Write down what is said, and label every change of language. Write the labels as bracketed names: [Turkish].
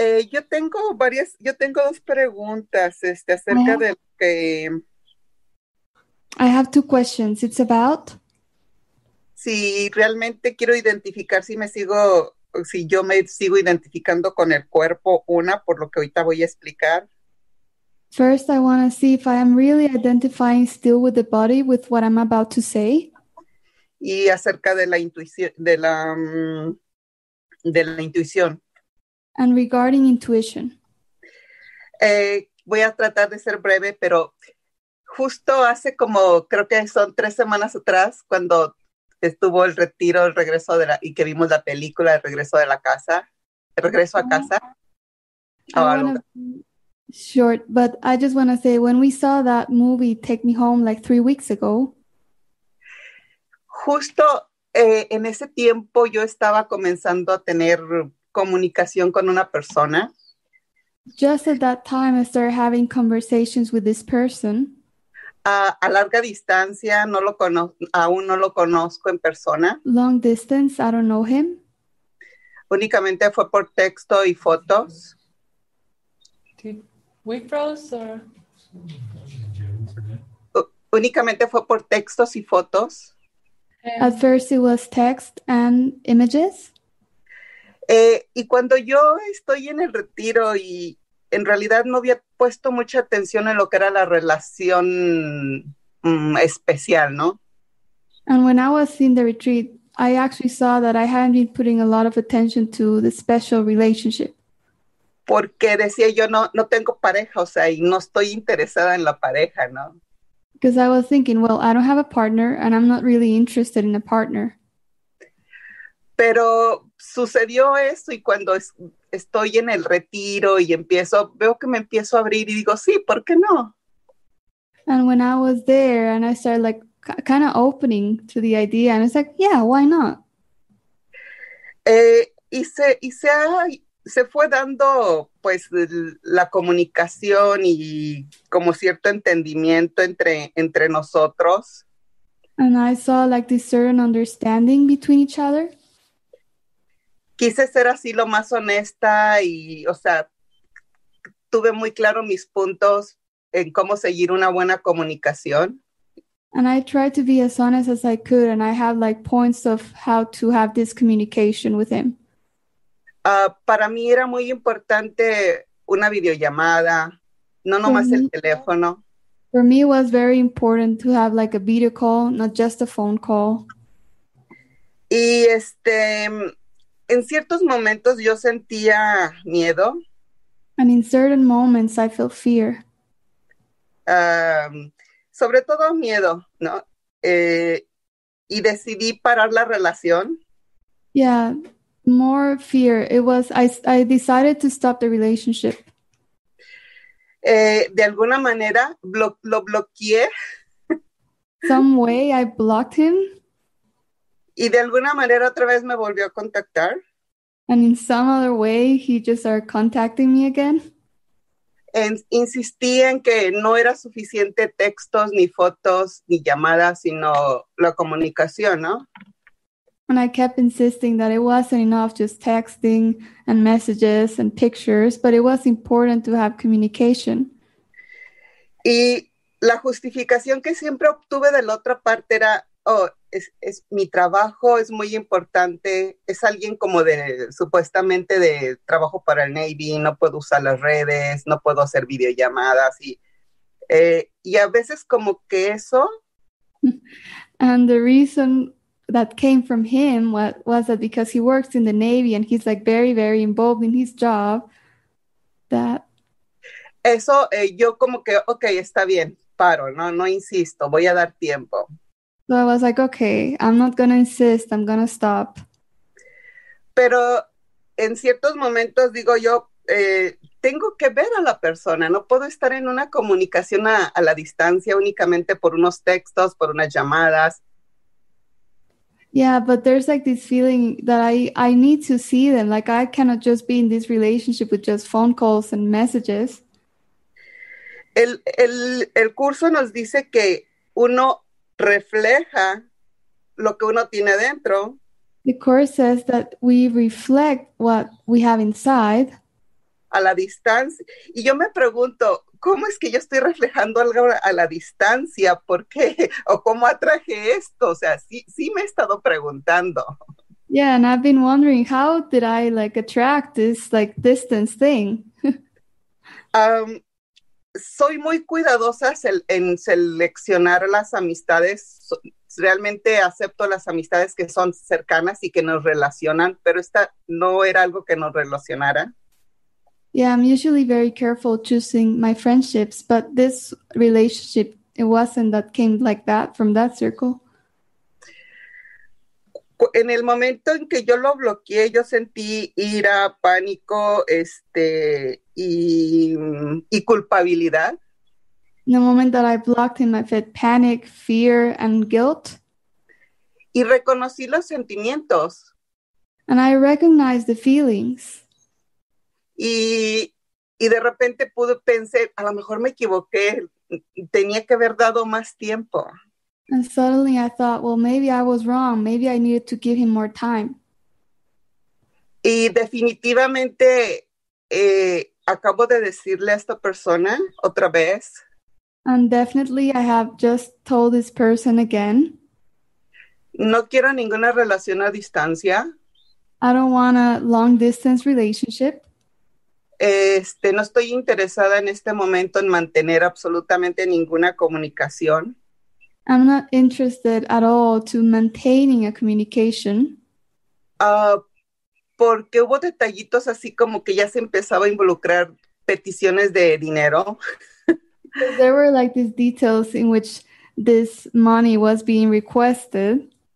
[Spanish] Yo tengo dos preguntas acerca de lo que. [English] I have two questions. It's about? [Spanish] Si realmente quiero identificar si yo me sigo identificando con el cuerpo, una, por lo que ahorita voy a explicar. [English] First, I want to see if I am really identifying still with the body, with what I'm about to say. [Spanish] Y acerca de la intuición, de la intuición. [English] And regarding intuition. [Spanish] Voy a tratar de ser breve, pero... Justo hace como, creo que son 3 semanas atrás, cuando estuvo el retiro, el regreso de la, y que vimos la película, el regreso de la casa, el regreso a casa. [English] Short, but I just want to say, when we saw that movie, Take Me Home, like 3 weeks ago. [Spanish] Justo en ese tiempo yo estaba comenzando a tener comunicación con una persona. [English] Just at that time I started having conversations with this person. [Spanish] A larga distancia, aún no lo conozco en persona. [English] Long distance, I don't know him. [Spanish] Únicamente fue por texto y fotos. [English] We froze or? [Spanish] Únicamente fue por textos y fotos. [English] At first it was text and images. [Spanish] Y cuando yo estoy en el retiro y... En realidad no había puesto mucha atención en lo que era la relación especial, ¿no? [English] And when I was in the retreat, I actually saw that I hadn't been putting a lot of attention to the special relationship. [Spanish] Porque decía yo no tengo pareja, o sea, y no estoy interesada en la pareja, ¿no? [English] Because I was thinking, well, I don't have a partner and I'm not really interested in a partner. [Spanish] Pero sucedió esto y cuando estoy en el retiro y empiezo, veo que me empiezo a abrir y digo, sí, ¿por qué no? [English] And when I was there and I started like kind of opening to the idea and it's like, yeah, why not? [Spanish] Y se fue dando pues la comunicación y como cierto entendimiento entre nosotros. [English] And I saw like this certain understanding between each other. [Spanish] Quise ser así lo más honesta y, o sea, tuve muy claro mis puntos en cómo seguir una buena comunicación. [English] And I tried to be as honest as I could and I have like points of how to have this communication with him. [Spanish] Para mí era muy importante una videollamada, no nomás el teléfono. [English] For me, it was very important to have like a video call, not just a phone call. [Spanish] Y en ciertos momentos yo sentía miedo. [English] And in certain moments, I felt fear. [Spanish] Sobre todo miedo, ¿no? Y decidí parar la relación. [English] Yeah, more fear. I decided to stop the relationship. [Spanish] De alguna manera, lo bloqueé. [English] Some way I blocked him. [Spanish] Y de alguna manera otra vez me volvió a contactar. [English] And in some other way, he just started contacting me again. [Spanish] Insistí en que no era suficiente textos, ni fotos, ni llamadas, sino la comunicación, ¿no? [English] And I kept insisting that it wasn't enough just texting and messages and pictures, but it was important to have communication. [Spanish] Y la justificación que siempre obtuve de la otra parte era, es mi trabajo es muy importante, es alguien como de, supuestamente de trabajo para el Navy, no puedo usar las redes, no puedo hacer videollamadas, y a veces como que eso. [English] And the reason that came from him was that because he works in the Navy and he's like very, very involved in his job, that. [Spanish] Eso yo como que, okay, está bien, paro, no insisto, voy a dar tiempo. [English] So I was like, okay, I'm not going to insist, I'm going to stop. [Spanish] Pero en ciertos momentos digo yo, tengo que ver a la persona, no puedo estar en una comunicación a la distancia únicamente por unos textos, por unas llamadas. [English] Yeah, but there's like this feeling that I need to see them, like I cannot just be in this relationship with just phone calls and messages. [Spanish] El curso nos dice que uno refleja lo que uno tiene dentro. [English] The course says that we reflect what we have inside. [Spanish] A la distancia. Y yo me pregunto, ¿cómo es que yo estoy reflejando algo a la distancia? ¿Por qué? ¿O cómo atraje esto? O sea, sí me he estado preguntando. [English] Yeah, and I've been wondering, how did I like attract this like distance thing? [Spanish] Soy muy cuidadosa en seleccionar las amistades. Realmente acepto las amistades que son cercanas y que nos relacionan, pero esta no era algo que nos relacionara. [English] Yeah, I'm usually very careful choosing my friendships, but this relationship, it wasn't that came like that from that circle. [Spanish] En el momento en que yo lo bloqueé, yo sentí ira, pánico, y culpabilidad. [English] In the moment that I blocked him, I felt panic, fear, and guilt. [Spanish] Y reconocí los sentimientos. [English] And I recognized the feelings. [Spanish] Y de repente pude pensar, a lo mejor me equivoqué, tenía que haber dado más tiempo. [English] And suddenly I thought, well, maybe I was wrong. Maybe I needed to give him more time. [Spanish] Y definitivamente acabo de decirle a esta persona otra vez. [English] And definitely I have just told this person again. [Spanish] No quiero ninguna relación a distancia. [English] I don't want a long distance relationship. [Spanish] No estoy interesada en este momento en mantener absolutamente ninguna comunicación. [English] I'm not interested at all to maintaining a communication. [Spanish] Porque hubo detallitos así como que ya se empezaba a involucrar peticiones de dinero. [English] There were like these details in which this money was being requested.